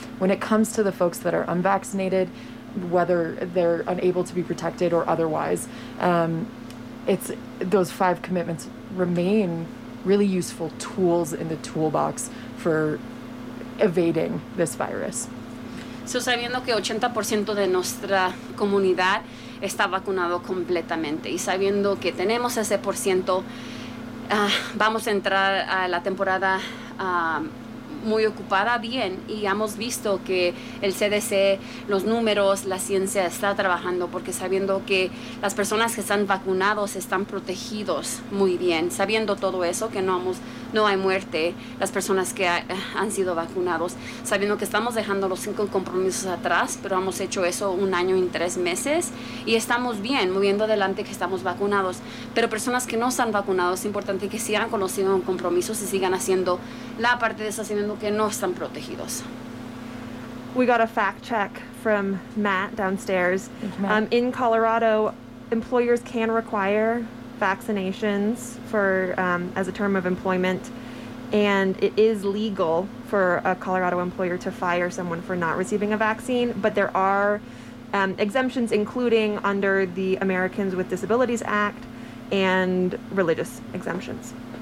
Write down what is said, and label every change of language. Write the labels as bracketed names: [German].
[English] When it comes to the folks that are unvaccinated, whether they're unable to be protected or otherwise, it's those five commitments remain really useful tools in the toolbox for evading this virus. [Spanish] So, sabiendo que 80% de nuestra comunidad está vacunado completamente y sabiendo que tenemos ese por ciento, vamos a entrar a la temporada muy ocupada bien, y hemos visto que el CDC, los números, la ciencia está trabajando, porque sabiendo que las personas que están vacunados están protegidos muy bien, sabiendo todo eso, que no hay muerte, las personas que han sido vacunados, sabiendo que estamos dejando los 5 compromisos atrás, pero hemos hecho eso 1 año y 3 meses y estamos bien, moviendo adelante, que estamos vacunados. Pero personas que no están vacunados, es importante que sigan con los 5 compromisos y sigan haciendo la parte de esas, que no están protegidos. [English] We got a fact check from Matt downstairs. Thank you, Matt. In Colorado, employers can require vaccinations for as a term of employment, and it is legal for a Colorado employer to fire someone for not receiving a vaccine, but there are exemptions, including under the Americans with Disabilities Act and religious exemptions.